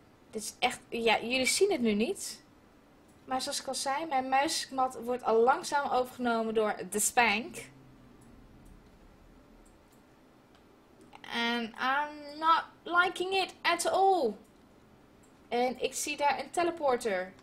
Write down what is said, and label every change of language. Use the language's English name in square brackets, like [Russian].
[Dutch] Dit is echt, ja, jullie zien het nu niet. Maar zoals ik al zei, mijn muismat wordt al langzaam overgenomen door de spank. [English] And I'm not liking it at all. [Dutch] En ik zie daar een teleporter.